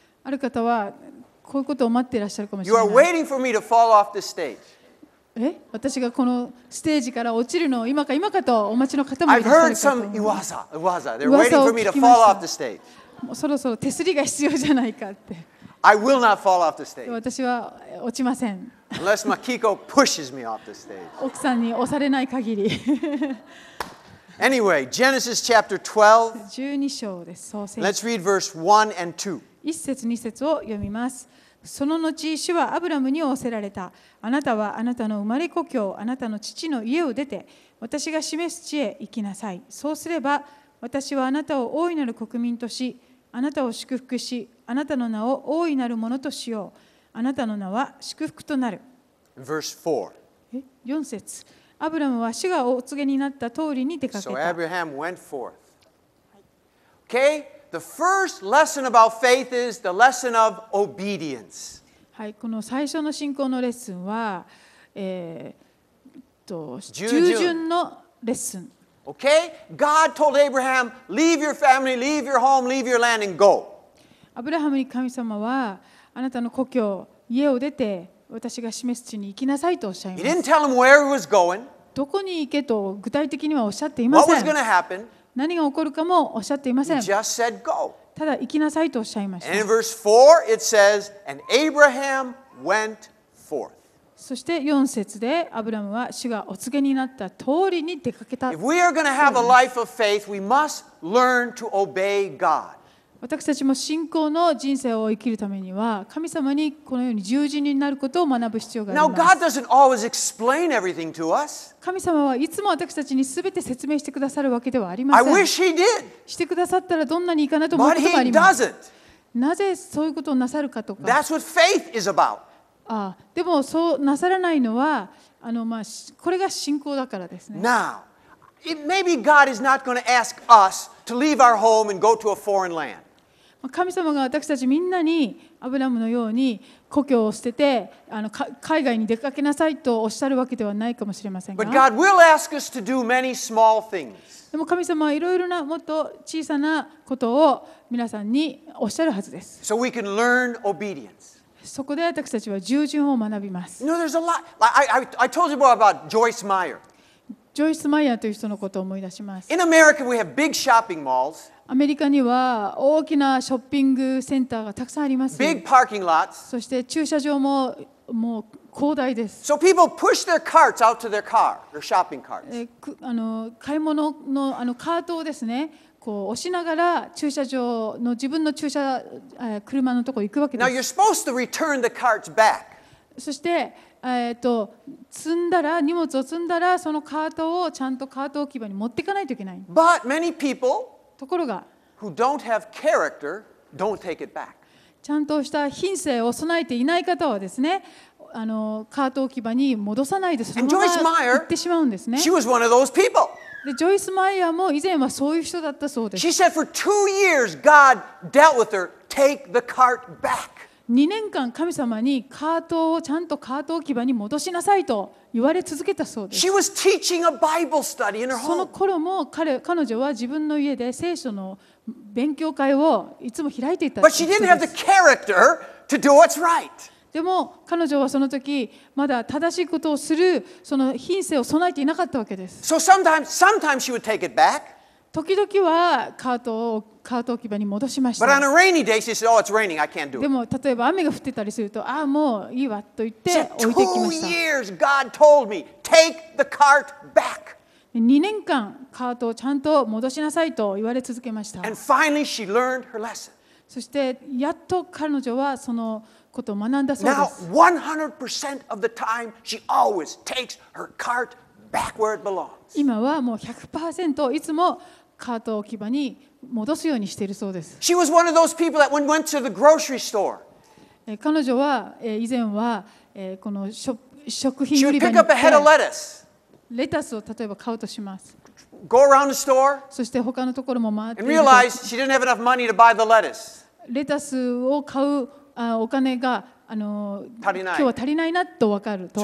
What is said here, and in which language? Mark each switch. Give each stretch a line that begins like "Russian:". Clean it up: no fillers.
Japanese: ある方はこういうことを待っていらっしゃるかもしれない。
English: You are waiting for me to fall off the stage.
Japanese: 私がこのステージから落ちるのを今か今かとお待ちの方もいらっしゃるかと思います。
English: I've heard some 噂。 They're waiting for me to fall off the stage。
Japanese: そろそろ手すりが必要じゃないかって。
English: I will not fall off the stage。
Japanese: 私は落ちません。
English: Unless Makiko pushes me off the stage。
Japanese: 奥さんに押されない限り。
English: Anyway, Genesis chapter 12.
Japanese: 12章です。創世記。
English: Let's read verse 1 and 2.
Japanese: 一節二節を読みます。その後主はアブラムに仰せられた。あなたはあなたの生まれ故郷、あなたの父の家を出て、私が示す地へ行きなさい。そうすれば私はあなたを大いなる国民とし、あなたを祝福し、あなたの名を大いなるものとしよう。あなたの名は祝福となる。
English: Verse 4.
Japanese: 4節。アブラムは主がお告げになった通りに出かけた。
English: So Abraham went forth. Okay? The first lesson about faith is the lesson of obedience.
Japanese: はい、この最初の信仰のレッスンは、従順のレッスン。
English: Okay? God told Abraham, leave your family, leave your home, leave your land and go.
Japanese: アブラハムに神様は、あなたの故郷、家を出て、私が示す地に行きなさいとおっしゃいます。
English: He didn't tell him where he was going.
Japanese: どこに行けと具体的にはおっしゃっていません。
English: What was going to happen?
Japanese: 何が起こるかもおっしゃっていません。ただ行きなさいとおっしゃいました。
English: And in verse 4, it says, and Abraham went forth.
Japanese: そして4節で、アブラムは主がお告げになった通りに出かけた。
English: If we are going to have a life of faith, we must learn to obey God.
Japanese: 私たちも信仰の人生を生きるためには、神様にこのように従順になることを学ぶ必要があります。
English: Now, God doesn't always explain everything to us.
Japanese: 神様はいつも私たちにすべて説明してくださるわけではありません。
English: I wish he did.
Japanese: してくださったらどんなにいいかなと思うこともあります。
English: But he doesn't.
Japanese: なぜそういうことをなさるかとか。
English: That's what faith is about.
Japanese: ああ、でもそうなさらないのは、これが信仰だからですね。
English: Now, maybe God is not going to ask us to leave our home and go to a foreign land.
Japanese: 神様が私たちみんなにアブラムのように故郷を捨てて海外に出かけなさいとおっしゃるわけではないかもしれませんが、
English: But God will ask us to do many small things.
Japanese: でも神様はいろいろなもっと小さなことを皆さんにおっしゃるはずです。
English: So we can learn obedience.
Japanese: そこで私たちは従順を学びます。
English: You know, there's a lot. I told you about Joyce Meyer.
Japanese: ジョイス・マイヤーという人のことを思い出します。
English: In America, we have big shopping malls.
Japanese: アメリカには大きなショッピングセンターがたくさんあります。
English: Big parking lots.
Japanese: そして駐車場ももう広大です。
English: So people push their carts out to their car, their shopping carts.
Japanese: 買い物のカートをですね、こう押しながら駐車場の自分の駐車車のとこ行くわけです。
English: Now you're supposed to return the carts back.
Japanese: そして積んだら荷物を積んだらそのカートをちゃんとカート置き場に持っていかないといけない。
English: But many people.
Japanese: ところが、
English: Who don't have character, don't take it back.
Japanese: ちゃんとした品性を備えていない方はですね、カート置き場に戻さないでそのまま行ってしまうんですね。
English: She was one of those people.
Japanese: で、ジョイス・マイヤーも以前はそういう人だったそうです。
English: She said for 2 years, God dealt with her, take the cart back.
Japanese: 2年間神様にカートをちゃんとカート置き場に戻しなさいと言われ続けたそうです。
English: She was teaching a Bible study in her home.
Japanese: その頃も彼女は自分の家で聖書の勉強会をいつも開いていた。
English: But she didn't have the character to do what's right.
Japanese: でも彼女はその時まだ正しいことをするその品性を備えていなかったわけです。
English: So sometimes she would take it back.
Japanese: 時々はカート置き場に戻しました。
English: But on a rainy day, she said, "Oh, it's raining. I can't do it."
Japanese: でも例えば雨が降ってたりすると、ああもういいわと言って置いてきました。
English: 2 years, God told me, "Take the cart back."
Japanese: 2年間カートをちゃんと戻しなさいと言われ続けました。
English: And finally, she learned her lesson.
Japanese: そしてやっと彼女はそのことを学んだそうです。
English: Now, 100% of the time, she always takes her cart back where it belongs.
Japanese: 今はもう 100% いつもカート置き場に戻すようにしているそうです。
English: She was one of those people that went to the grocery store.
Japanese: 彼女は以前はこの食品売り場に行って、
English: She would pick up a head of
Japanese: lettuce. レタスを例えば買うとします。
English: Go around the store.
Japanese: そして他のところも回って、
English: And realize she didn't have enough money to buy the lettuce.
Japanese: レタスを買うお金が今日は足りないなと分かると、